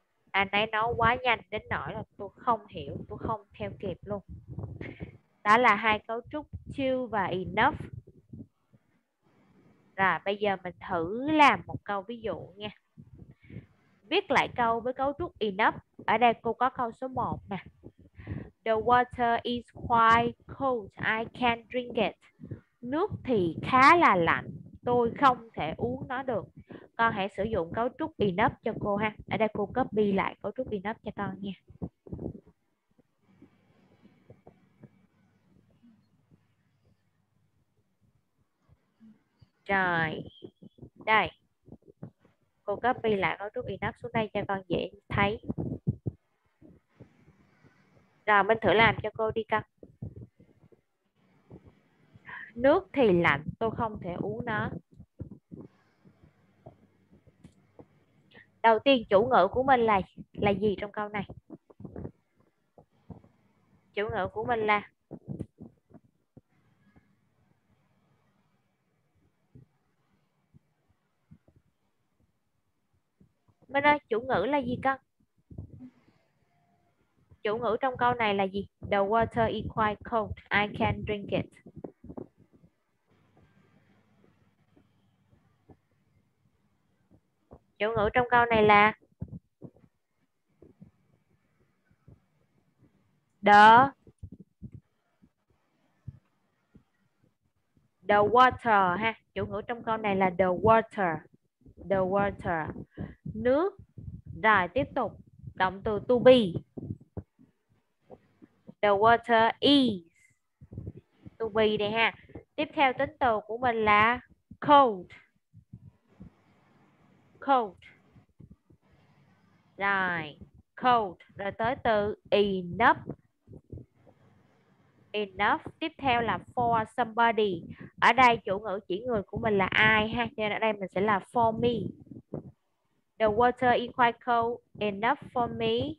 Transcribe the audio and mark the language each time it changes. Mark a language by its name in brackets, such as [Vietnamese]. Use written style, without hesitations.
[Vietnamese] Anh ấy nói quá nhanh đến nỗi là tôi không hiểu, tôi không theo kịp luôn. Đó là hai cấu trúc to và enough. Rồi bây giờ mình thử làm một câu ví dụ nha. Viết lại câu với cấu trúc enough. Ở đây cô có câu số 1 nè. [English] The water is quite cold, I can't drink it. [Vietnamese] Nước thì khá là lạnh, tôi không thể uống nó được. Con hãy sử dụng cấu trúc enough cho cô ha. Ở đây cô copy lại cấu trúc enough cho con nha. Rồi, đây. Cô copy lại cấu trúc enough xuống đây cho con dễ thấy. Rồi, mình thử làm cho cô đi con. Nước thì lạnh, tôi không thể uống nó. Đầu tiên chủ ngữ của mình là gì trong câu này? Chủ ngữ của mình là Minh ơi, chủ ngữ là gì con? Chủ ngữ trong câu này là gì? [English] The water is quite cold, I can't drink it. [Vietnamese] Chủ ngữ trong câu này là [English] the water [Vietnamese] ha. Chủ ngữ trong câu này là [English] the water [Vietnamese] nước. Rồi tiếp tục động từ to be. [English] The water is to be [Vietnamese] đây ha. Tiếp theo tính từ của mình là cold. Rồi, cold. Rồi tới từ enough. Tiếp theo là [English] for somebody. [Vietnamese] Ở đây chủ ngữ chỉ người của mình là ai ha. Nên ở đây mình sẽ là [English] for me. The water is quite cold enough for me.